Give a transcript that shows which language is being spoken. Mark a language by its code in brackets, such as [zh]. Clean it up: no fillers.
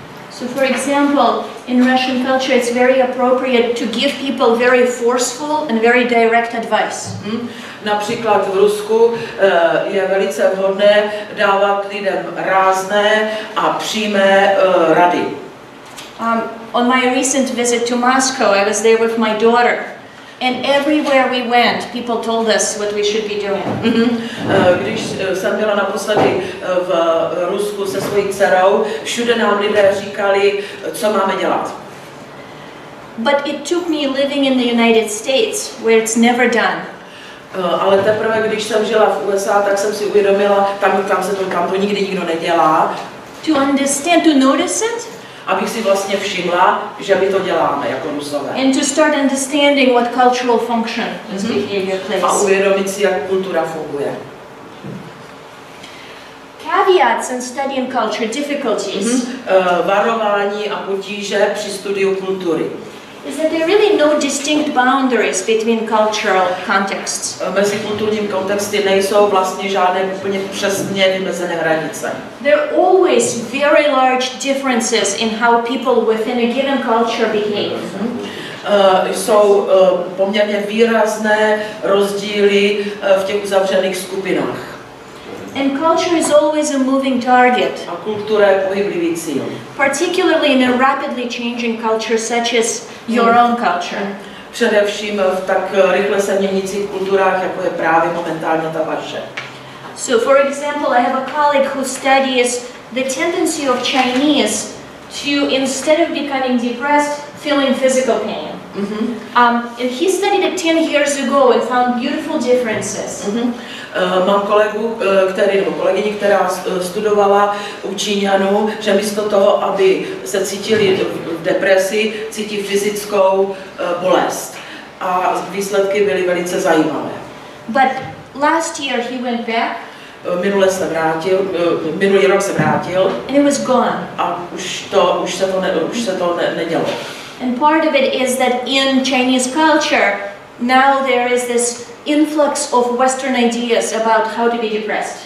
[en] So for example, in Russian culture it's very appropriate to give people very forceful and very direct advice. [cs] Například v Rusku je velice vhodné dávat lidem rázné a přímé rady. [en] On my recent visit to Moscow, I was there with my daughter. And everywhere we went, people told us what we should be doing. Mm-hmm. [cs] Když jsem byla naposledy v Rusku se svojí dcerou, všude nám lidé říkali, co máme dělat. [en] But it took me living in the United States, where it's never done. [cs] Ale teprve, když jsem žila v USA, tak jsem si uvědomila, tam to nikdy nikdo nedělá. [en] To understand, to notice it? [cs] Abych si vlastně všimla, že my to děláme jako Rusové. [en] And to start understanding what cultural function is behavior plays. [cs] A uvědomit si, jak kultura funguje. [en] Caveats and study and culture difficulties. [cs] Varování a potíže při studiu kultury. [en] Is that there are really no distinct boundaries between cultural contexts? [cs] Mezi kulturními kontexty nejsou vlastně žádné úplně přesně vymezené hranice. [en] There are always very large differences in how people within a given culture behave. [cs] Jsou poměrně výrazné rozdíly v těch uzavřených skupinách. [en] And culture is always a moving target. [cs] A kultura je pohyblivý cíl. [en] Particularly in a rapidly changing culture such as your own culture. [cs] Především v tak rychle se měnících kulturách, jako je právě momentálně ta vaše. [en] So for example, I have a colleague who studies the tendency of Chinese to, instead of becoming depressed, feeling physical pain. And he studied it 10 years ago and found beautiful differences. [cs] Mám kolegu, kolegyni, která studovala u Číňanů, že místo toho, aby se cítili v depresi, cítí fyzickou bolest. A výsledky byly velice zajímavé. [en] But last year he went back. [cs] minule se vrátil, minulý rok se vrátil. [en] And it was gone. [cs] A už se to nedělo. [en] And part of it is that in Chinese culture, now there is this influx of Western ideas about how to be depressed.